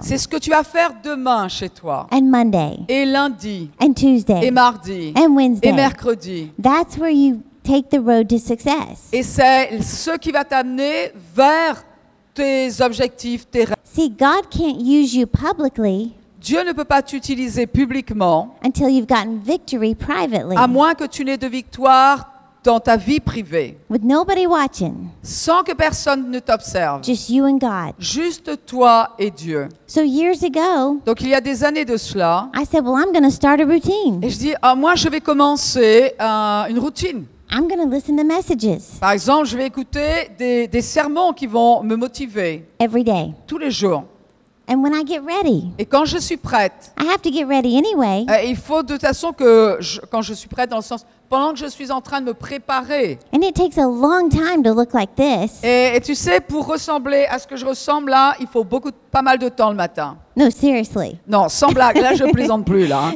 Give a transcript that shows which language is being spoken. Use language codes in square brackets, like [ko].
[fr] C'est ce que tu vas faire demain chez toi. [en] And Monday. [fr] Et lundi. [en] And Tuesday. [fr] Et mardi. [en] And Wednesday. [fr] Et mercredi. [en] That's where you take the road to success. [fr] Et c'est ce qui va t'amener vers tes objectifs, tes rêves. [en] See, God can't use you publicly. [fr] Dieu ne peut pas t'utiliser publiquement [en] until you've gotten victory privately, [fr] à moins que tu n'aies de victoire dans ta vie privée, [en] with nobody watching, [fr] sans que personne ne t'observe, [en] just you and God. [fr] Juste toi et Dieu. [en] So years ago, [fr] donc il y a des années de cela, [en] I said, well, I'm gonna start a routine. [fr] Et je dis, oh, moi je vais commencer une routine. [en] I'm gonna listen to messages. [fr] Par exemple, je vais écouter des sermons qui vont me motiver [en] every day. [fr] Tous les jours. [en] And when I get ready, [fr] et quand je suis prête, [en] I have to get ready anyway. [fr] Il faut de toute façon que quand je suis prête, dans le sens pendant que je suis en train de me préparer. [en] And it takes a long time to look like this. [fr] Et tu sais, pour ressembler à ce que je ressemble là, il faut beaucoup, pas mal de temps le matin. [en] No, seriously. [fr] Non, sans blague, là je plaisante plus là.